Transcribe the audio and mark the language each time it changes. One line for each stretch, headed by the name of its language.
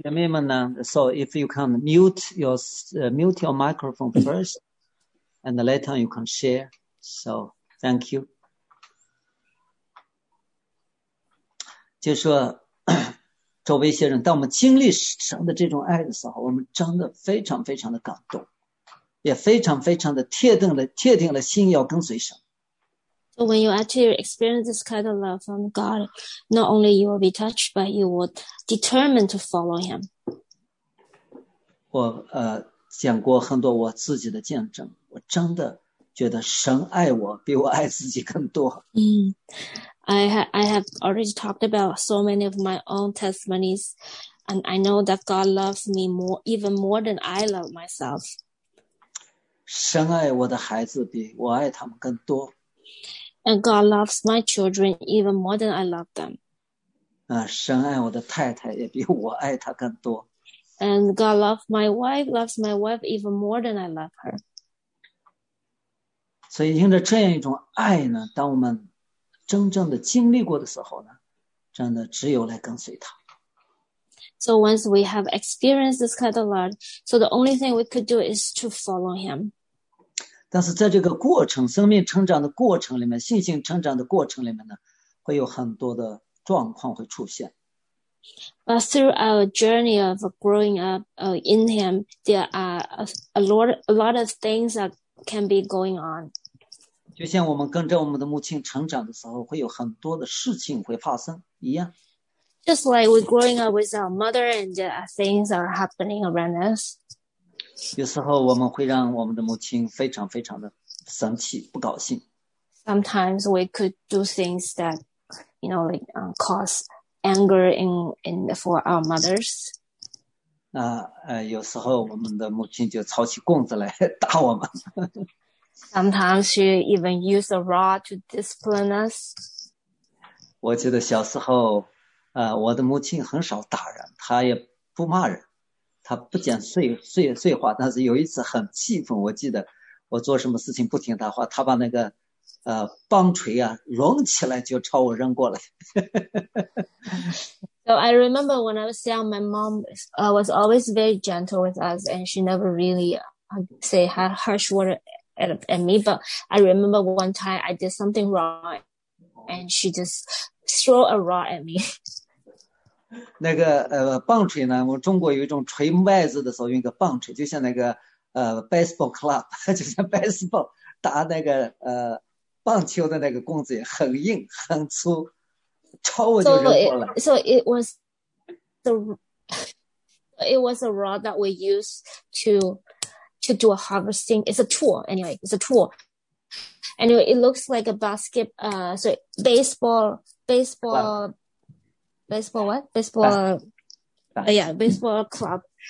Chinese: 姐妹们呢？
English: So if you can mute your microphone first, and later you can share. So thank you.
Chinese: 就说周围一些人，当我们经历神的这种爱的时候，我们真的非常非常的感动，也非常非常的确定了心要跟随神。
English: So when you actually experience this kind of love from God, not only you will be touched, but you will determine to follow him.
Chinese: 我讲过很多我自己的见证，我真的觉得神爱我比我爱自己更多。
English: I have already talked about so many of my own testimonies, and I know that God loves me more, even more than I love myself.
Chinese: 神爱我的孩子比我爱他们更多。
English: And God loves my children even more than I love them.
Chinese: 神爱我的太太也比我爱她更多。
English: And God loves my wife even more than I love her.
Chinese: 所以，因着这样一种爱呢，当我们真正的经历过的时候呢，真的只有来跟随他。
English: So once we have experienced this kind of love, so the only thing we could do is to follow him.
Chinese: 但是，在这个过程、生命成长的过程里面、信心成长的过程里面呢，会有很多的状况会出现。
English: But through our journey of growing up in him, there are a lot of things that can be going on.
Chinese: 就像我们跟着我们的母亲成长的时候，会有很多的事情会发生一样。
English: Just like we're growing up with our mother and there are things that are happening around us.
Chinese: 有时候我们会让我们的母亲非常非常的生气，不高兴。
English: Sometimes we could do things that, cause anger in for our mothers.
Chinese: 有时候我们的母亲就抄起棍子来打我们。
English: Sometimes she even use a rod to discipline us.
Chinese: 我记得小时候，我的母亲很少打人，她也不骂人，她不讲碎话。但是有一次很气愤，我记得我做什么事情不听她话，她把那个棒槌啊抡起来就朝我扔过来。
English: So I remember when I was young, my mom was always very gentle with us, and she never really say her harsh word at me. But I remember one time I did something wrong, and she just throw a rock at me.
Chinese: 那个棒槌呢？我们中国有一种锤麦子的时候用一个棒槌，就像那个baseball club，就像 baseball 打那个棒球的那个棍子也很硬很粗，朝我就扔过来。
English: So it was a rod that we use to do a harvesting. It's a tool, anyway. It's a tool. Anyway, it looks like a basket. Sorry, baseball. What? Baseball. Yeah, baseball club.